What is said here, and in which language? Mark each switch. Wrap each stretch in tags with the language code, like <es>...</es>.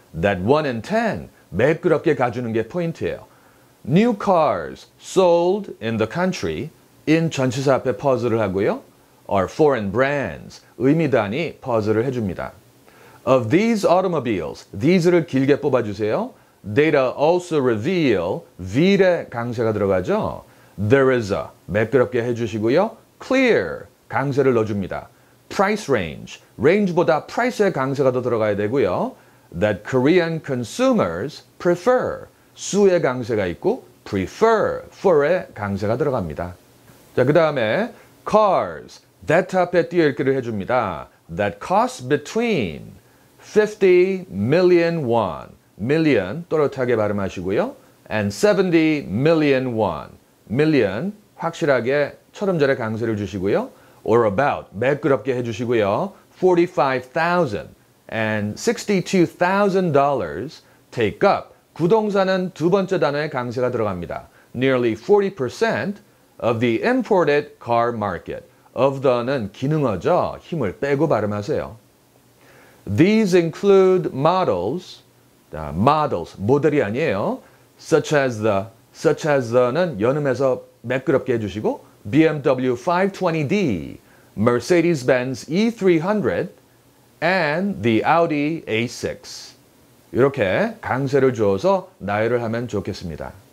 <en>that 1 in 10,</en> <ko>매끄럽게 가주는 게 포인트예요.</ko> <en>new cars sold in the country, in</en> <ko>전치사 앞에 pause를 하고요.</ko> <en>are foreign brands,</en> <ko>의미단이 pause를 해줍니다.</ko> <en>of these automobiles,</en> <ko>these를 길게 뽑아주세요.</ko> <en>data also reveal,</en> <ko>V에 강세가 들어가죠.</ko> <en>there is a,</en> <ko>매끄럽게 해주시고요. clear, 강세를 넣어줍니다.</ko> <en>price range,</en> <ko>range보다 price의 강세가 더 들어가야 되고요.</ko> <en>that Korean consumers prefer,</en> <ko>수의 강세가 있고 prefer, for의 강세가 들어갑니다. 자, 그 다음에 cars, that 앞에 띄어읽기를 해줍니다.</ko> <en>that cost between 50 million won,</en> <ko>million 또렷하게 발음하시고요.</ko> <en>and 70 million won,</en> <ko>million 확실하게 첫음절의 강세를 주시고요.</ko> <en>or about,</en> <ko>매끄럽게 해주시고요.</ko> <en>$45,000 and $62,000 take up,</en> <ko>구동사는 두 번째 단어의 강세가 들어갑니다.</ko> <en>Nearly 40% of the imported car market. of the</en> <ko>는 기능어죠. 힘을 빼고 발음하세요. These include models, models, 모델이 아니에요.</ko> <en>such as the,</en> <ko>such as the는 연음해서 매끄럽게 해주시고 BMW 520D, Mercedes-Benz E300 and the Audi A6. 이렇게 강세를 주어서 나열을 하면 좋겠습니다.</ko>